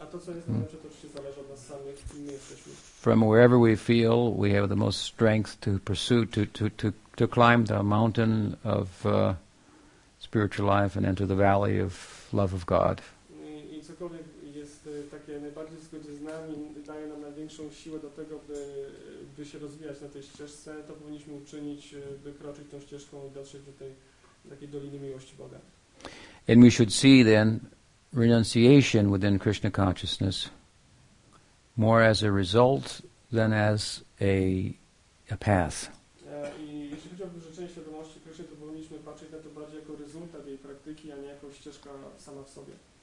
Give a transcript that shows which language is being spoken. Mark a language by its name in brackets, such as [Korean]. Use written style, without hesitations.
[Polish] A to, co jest najlepsze, to oczywiście zależy od nas samych, kim jesteśmy. [English] From wherever we feel we have the most strength to pursue, to climb the mountain of spiritual life and enter the valley of love of God. [Polish] I cokolwiek jest takie najbardziej zgodne z nami, daje nam największą siłę do tego, by się rozwijać na tej ścieżce, to powinniśmy uczynić, by kroczyć tą ścieżką i dotrzeć do tej takiej doliny miłości Boga. [English] And we should see then renunciation within Krishna consciousness more as a result than as a path. [Polish] I jeśli chodzi o wyrzeczenie świadomości Krishna, to powinniśmy patrzeć na to bardziej jako rezultat jej praktyki, a nie jako ścieżka sama w sobie.